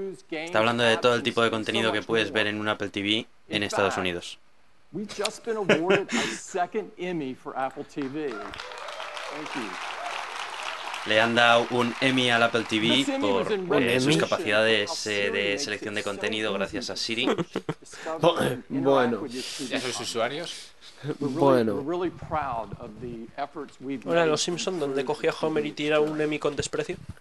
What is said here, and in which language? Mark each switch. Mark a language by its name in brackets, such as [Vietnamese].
[Spanish] Está hablando de todo el tipo de contenido que puedes ver en un Apple TV en Estados Unidos. [English] We've just been awarded a second Emmy for Apple TV. Thank you. [Spanish] Le han dado un Emmy al Apple TV por sus capacidades de selección de contenido gracias a Siri. Bueno. ¿Ya sois usuarios? Bueno. Ahora, ¿los Simpsons donde cogía a Homer y tira un Emmy con desprecio?